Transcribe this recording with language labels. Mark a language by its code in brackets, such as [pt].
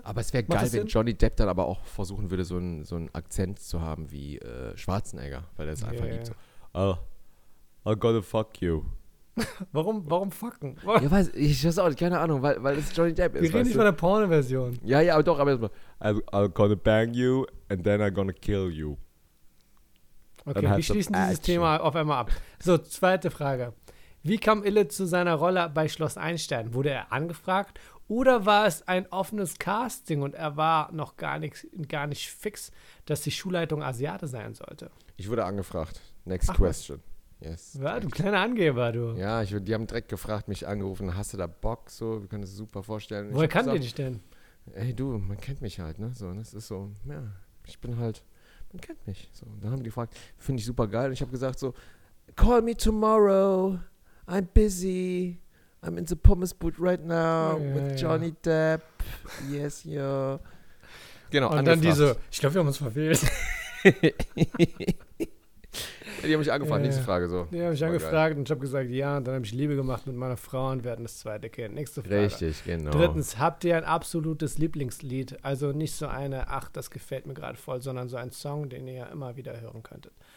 [de] Aber es wäre geil, wenn Johnny Depp dann aber auch versuchen würde, so einen Akzent zu haben wie Schwarzenegger, weil er es einfach liebt. [en] So, I'm gonna fuck you. [de] Warum fucken? Ich weiß auch, keine Ahnung, weil es Johnny Depp ist. Wir reden nicht von der Porno-Version. Ja, ja, aber doch, aber erstmal. [en] I'm gonna bang you and then I'm gonna kill you. [de] Okay, wir schließen dieses Thema auf einmal ab. So, zweite Frage. Wie kam Ille zu seiner Rolle bei Schloss Einstein? Wurde er angefragt oder war es ein offenes Casting und er war noch gar nicht fix, dass die Schulleitung Asiate sein sollte? Ich wurde angefragt. [en] Next question. Yes. [de] Ja, du kleiner Angeber, du. Ja, die haben direkt gefragt, mich angerufen. Hast du da Bock? So, wir können es super vorstellen. Woher kann die dich denn? Ey, du, man kennt mich halt, ne? So, das ist so, ja, ich bin halt, man kennt mich. So, dann haben die gefragt, finde ich super geil. Und ich habe gesagt so, [en] call me tomorrow. I'm busy. I'm in the pommes boot right now with Johnny Depp. Yes, yo. Genau, [de] und angefragt. Dann diese, ich glaube, wir haben uns verfehlt. Die haben mich angefragt, nächste Frage so. Die haben mich angefragt geil. Und ich habe gesagt, ja, und dann habe ich Liebe gemacht mit meiner Frau und wir hatten das zweite Kind. Nächste Frage. Richtig, genau. Drittens, habt ihr ein absolutes Lieblingslied? Also nicht so eine, ach, das gefällt mir gerade voll, sondern so ein Song, den ihr ja immer wieder hören könntet.